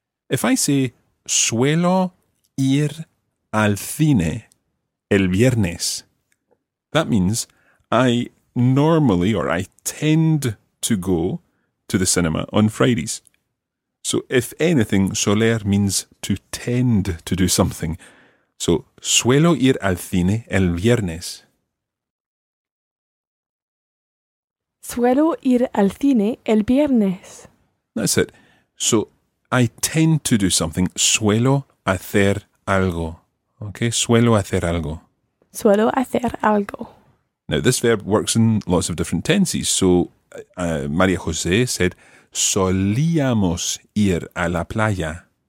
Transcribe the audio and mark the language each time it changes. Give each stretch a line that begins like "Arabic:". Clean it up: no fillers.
English: If I say
Spanish: suelo ir al cine el viernes,
English: that means I normally or I tend to go to the cinema on Fridays. So if anything, soler means to tend to do something.
Spanish: So suelo ir al cine el viernes. Suelo ir al cine el viernes.
English: That's it. So, I tend to do something.
Spanish: Suelo hacer algo. Okay? Suelo hacer algo. Suelo hacer algo.
English: Now, this verb works in lots of different tenses. So, María José said,
Spanish: solíamos ir a la playa.